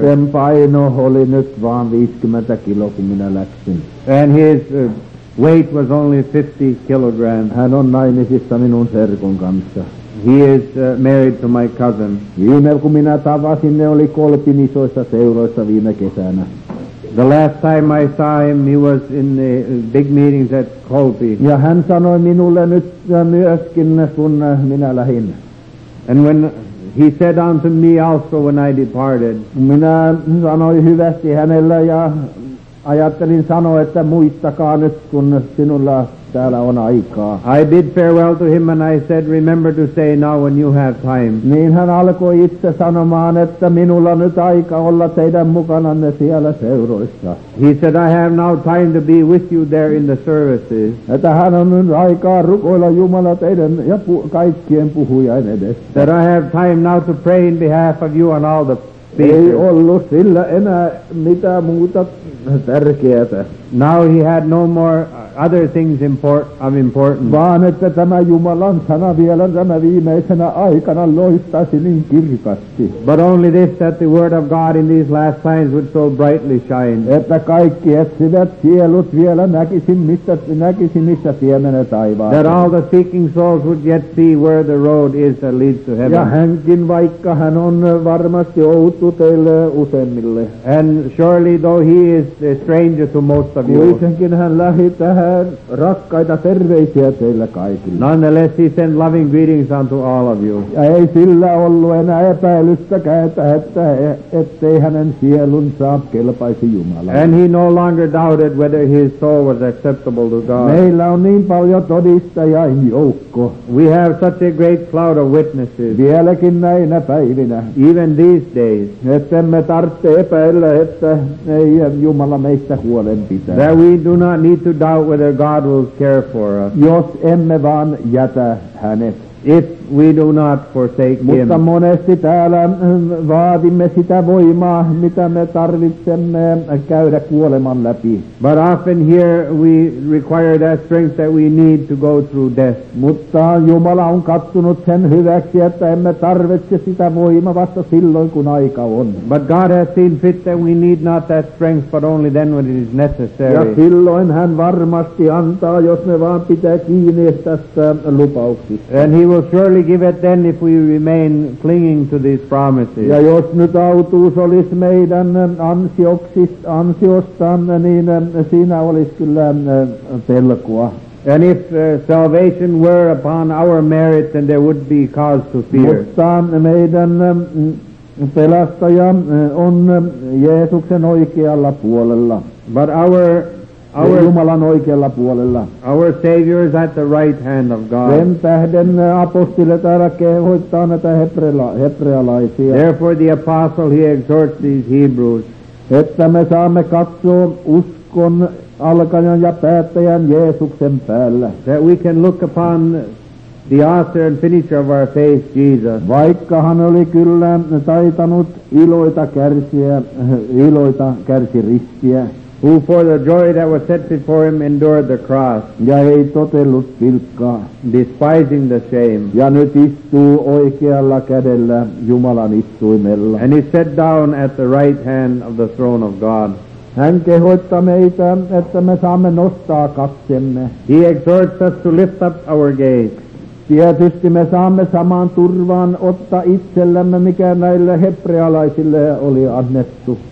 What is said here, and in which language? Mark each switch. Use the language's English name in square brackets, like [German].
[Finnish] Sen paino oli nyt vaan 50 kilo, kun minä läksin. [English] And his weight was only 50 kilograms. [Finnish] Hän on naimisissa minun serkun kanssa. [English] He is married to my cousin. [Finnish] Viime kun minä tavasin, ne oli kolpin isoissa seuroissa viime kesänä. [English] The last time I saw him, he was in the big meetings at Kolpi. [Finnish] Ja hän sanoi minulle nyt myöskin, kun minä lähdin. [English] And when he said unto me also when I departed. [Finnish] Minä sanoin hyvästi hänelle ja ajattelin sanoa, että muistakaa nyt, kun sinulla täällä on aikaa. [English] I bid farewell to him and I said, remember to say now when you have time. [Finnish] Niin hän alkoi itse sanomaan, että minulla nyt aika olla teidän mukananne siellä seuroissa. [English] He said, I have now time to be with you there in the services. [Finnish] Että hän on nyt aikaa rukoilla Jumala teidän ja kaikkien puhujain edessä. [English] That I have time now to pray in behalf of you and all the speakers. [Finnish] Ei ollut sillä enää mitään muuta tärkeätä. [English] Now he had no more other things of importance. [Finnish] Vaan että tämä Jumalan sana vielä tämä viimeisenä aikana loistaisi niin kirkasti. [English] But only this, that the word of God in these last times would so brightly shine. [Finnish] Että kaikki etsivät sielut vielä näkisi missä siemenet taivaan. [English] That all the seeking souls would yet see where the road is that leads to heaven. [Finnish] Ja hänkin vaikka hän on varmasti outo teille useimmille. [English] And surely though he is a stranger to most of of you. [Finnish] Kuitenkin hän lähettää hän rakkaita terveisiä teille kaikille. [English] Nonetheless, he sent loving greetings unto all of you. [Finnish] Ja ei sillä ollut enää epäilystäkään, että ettei hänen sielunsa kelpaisi Jumalalle. [English] And he no longer doubted whether his soul was acceptable to God. [Finnish] Meillä on niin paljon todistajia joukko. [English] We have such a great cloud of witnesses. [Finnish] Vieläkin näinä päivinä. [English] Even these days. [Finnish] Ettemme tarvitse epäillä, että ei Jumala meistä huolen pitää. [English] That we do not need to doubt whether God will care for us. [Finnish] Jos emme vaan jätä hänet. [English] If we do not forsake [Finnish] mutta [English] him. [Finnish] Mutta monesti täällä vaadimme sitä voimaa, mitä me tarvitsemme käydä kuoleman läpi. [English] But often here we require that strength that we need to go through death. [Finnish] Mutta Jumala on katsonut sen hyväksi, että emme tarvitse sitä voimaa vasta silloin, kun aika on. [English] But God has seen fit that we need not that strength, but only then when it is necessary. [Finnish] Ja silloin hän varmasti antaa, jos me vaan pitää kiinni tästä lupauksista. [English] And he will surely give it then if we remain clinging to these promises. [Finnish] Ja jos nyt autuus olisi meidän ansiostaan, niin siinä olisi kyllä pelkoa. [English] And if salvation were upon our merit, then there would be cause to fear. [Finnish] Mutta meidän pelastaja on Jeesuksen oikealla puolella. [English] But our [Finnish] Jumalan oikealla puolella. [English] Our Savior is at the right hand of God. [Finnish] Sen tähden apostille täällä kehoittaa näitä hebrealaisia. [English] Therefore the apostle, he exhorts these Hebrews. [Finnish] Että me saamme katsoa uskon alkajan ja päättäjän Jeesuksen päällä. [English] That we can look upon the author and finisher of our faith, Jesus. [Finnish] Vaikka hän oli kyllä taitanut iloita kärsi ristiä. [English] Who for the joy that was set before him endured the cross. [Finnish] Ja ei totellut pilkkaa. [English] Despising the shame. [Finnish] Ja nyt istuu oikealla kädellä Jumalan istuimella. [English] And he sat down at the right hand of the throne of God. [Finnish] Hän kehoittaa meitä, että me saamme nostaa katsemme. [English] He exhorts us to lift up our gaze. [Finnish] Tietysti me saamme samaan turvaan ottaa itsellemme, mikä näille hebrealaisille oli annettu.